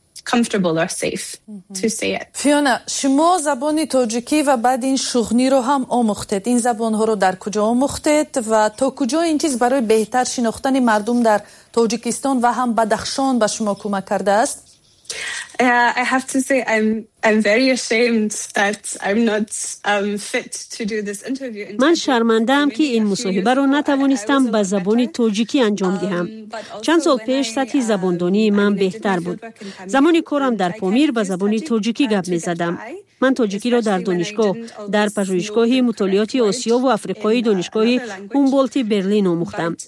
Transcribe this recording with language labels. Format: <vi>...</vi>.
<en>comfortable or safe to say it.</en> <fa>Fiona, شمو زبان تاجیکی و بعد این شغنی رو هم آموختید. این زبان ها رو در کجا آموختید و تا کجا این چیز برای بهتر شناختن مردم در تاجیکستان و هم بدخشان به شما کمک کرده است؟</fa> <en>I have to say I'm very ashamed that I'm not fit to do this interview.</en> <fa>من شرمنده ام که این مصاحبه رو نتوانستم به زبان تاجیکی انجام دهم. چند سال پیش سطح زبان دانی من بهتر بود. زمانی کارم در پامیر به زبان تاجیکی گپ می‌زدم. من تاجیکی را در دانشگاه، در پژوهشگاه مطالعات آسیا و آفریقای دانشگاه هومبولت برلین آموختم.</fa>